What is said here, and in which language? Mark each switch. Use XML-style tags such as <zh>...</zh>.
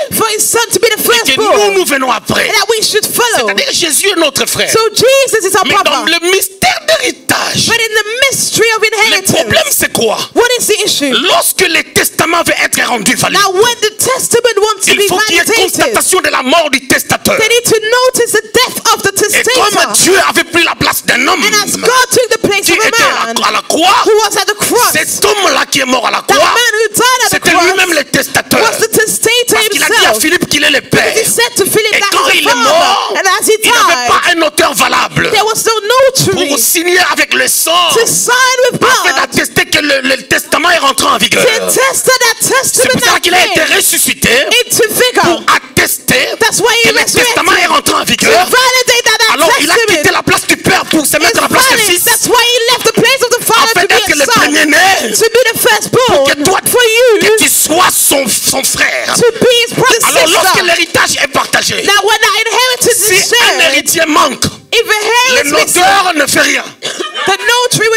<en>For his son to be the first.</en> <fr>Et que nous nous venons après.</fr> <en>And that we should follow.</en> <fr>C'est-à-dire Jésus est notre frère.</fr> <en>So Jesus is our</en> <fr>mais</fr> <en>brother.</en> <fr>Mais dans le mystère d'héritage.</fr> <en>But in the mystery of inheritance.</en> <fr>Le problème c'est quoi?</fr> <en>What is the issue?</en> <fr>Lorsque les testaments veulent être rendus valides.</fr> <en>Now when the testament wants to be validated.</en> <fr>Il faut qu'il y ait constatation de la mort du testateur.</fr> <en>They need to notice the death of the testator.</en> <fr>Et comme Dieu avait pris la place d'un homme.</fr> <en>And as God took the place</en> <fr>qui</fr> <en>of a</en> <fr>était</fr> <en>man,</en> <fr>à la croix.</fr> <en>Who was at the cross.</en> <fr>Cet homme-là qui est mort à la croix. C'était lui-même le testateur.</fr> <en>Was the testator</en> <fr>parce qu'il a dit à Philippe qu'il est le père.</fr> <en>He said to Philip</en> <fr>et quand il est mort,</fr> <en>died,</en> <fr>il n'avait pas un auteur valable.</fr> <en>There was no notary</en> <fr>pour signer avec le sang.</fr> <en>To sign with blood.</en> <fr>Afin d'attester que le testament est rentré en vigueur. C'est pour ça qu'il a été ressuscité.</fr> <en>Into vigor.</en> <fr>Pour attester.</fr> <en>That's why he</en> <fr>que le testament est rentré en vigueur.</fr> <en>To validate that that</en> <fr>alors il a quitté la place du père pour se mettre à la place</fr> <en>valid</en> <fr>du fils.</fr> <en>That's why he left the place of the father</en> <fr>afin d'être</fr> <en>to be</en> <fr>le premier né.</fr> <en>To be the first born.</en> <fr>Pour que toi,</fr> <en>for you,</en> <fr>que tu sois son frère.</fr> <en>To be his brother,</en> <fr>alors</fr> <en>sister,</en> <fr>lorsque l'héritage est partagé,</fr> <en>now when that inheritance</en> <fr>si</fr> <en>is shared,</en> <fr>un héritier manque,</fr> <en>if a heir</en> <fr>le notaire ne fait rien.</fr> <en>The notary will</en>